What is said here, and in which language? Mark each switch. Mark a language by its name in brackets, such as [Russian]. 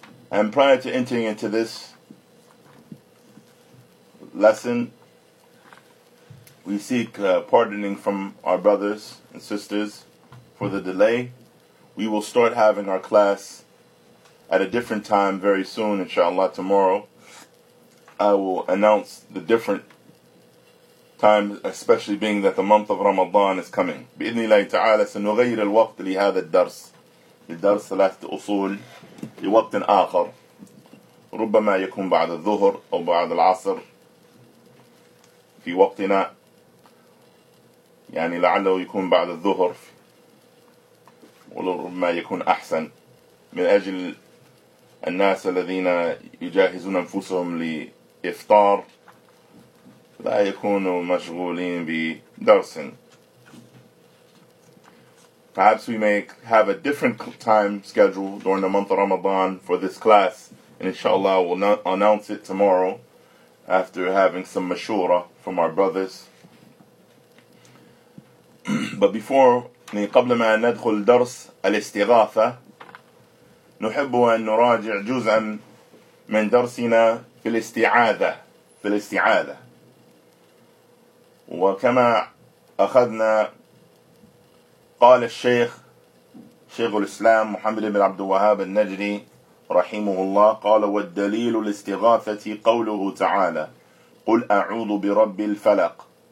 [English] And prior to entering into this lesson, we seek pardoning from our brothers and sisters for the delay. We will start having our class at a different time very soon, inshallah, tomorrow. I will announce the different times, especially being that the month of Ramadan is coming. [Arabic] بإذن الله تعالى سنغير الوقت لهذا الدرس للدرس ثلاثة أصول لوقت آخر ربما يكون بعد الظهر أو بعد العصر في وقتنا يعني لعله يكون بعد الظهر ولربما يكون أحسن من أجل الناس الذين يجهزون أنفسهم لإفطار لا يكونوا مشغولين بدرس. [English] Perhaps we may have a different time schedule during the month of Ramadan for this class, and inshallah we'll announce it tomorrow after having some mashura from our brothers. But before, [Arabic] قبل ما ندخل درس الاستغاثة, نحب أن نراجع جزءا من درسنا في الاستعاذة. في الاستعاذة. وكما أخذنا قال الشيخ شيخ الإسلام محمد بن عبد الوهاب النجدي رحمه الله قال والدليل الاستغاثة قوله تعالى قل أعوذ برب الفلق.